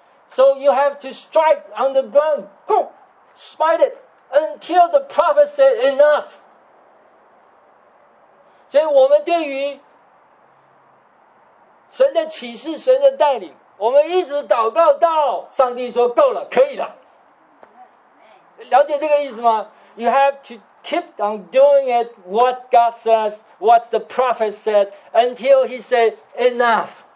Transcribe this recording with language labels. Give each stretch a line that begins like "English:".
English: So you have to strike on the ground, boom, smite it, until the prophet said enough.
Chinese: 所以我们对于神的启示、神的带领，我们一直祷告到上帝说够了，可以了。了解这个意思吗？
English: You have to keep on doing it what God says, what the prophet says, until he said enough.